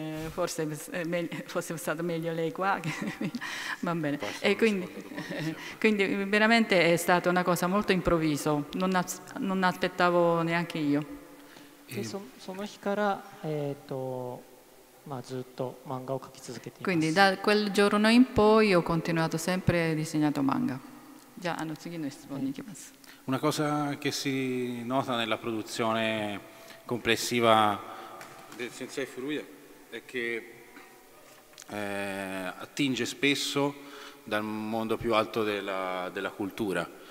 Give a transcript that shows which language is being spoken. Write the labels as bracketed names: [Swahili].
[Italian] Forse è stato meglio lei qua, va bene. E quindi veramente è stata una cosa molto improvviso, non aspettavo neanche io. [Japanese] その日から、ずっと漫画を描き続けています。 [Italian] Quindi da quel giorno in poi ho continuato sempre disegnato manga. [Japanese] Già, あの次の質問に行きます。 [Italian] Una cosa che si nota nella produzione complessiva del Sensei Furuya è che attinge spesso dal mondo più alto della cultura.